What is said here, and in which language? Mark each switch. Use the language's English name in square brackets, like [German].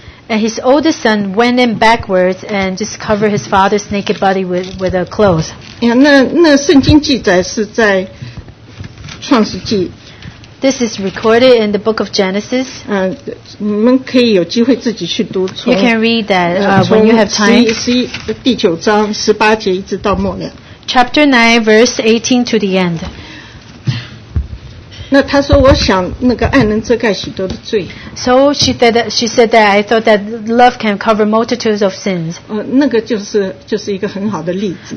[English] And his oldest son went in backwards and just covered his father's naked body with a cloth. [Chinese] Yeah, 那圣经记载是在创世纪。 [English] This is recorded in the book of Genesis. [Chinese] 你们可以有机会自己去读。 [English] You can read that when you have time. [Chinese] 第九章十八节一直到末了。 [English] Chapter 9, verse 18 to the end. [Chinese] 那他说我想那个爱能遮盖许多的罪。 [English] So she said that I thought that love can cover multitudes of sins. [Chinese] 那个就是一个很好的例子。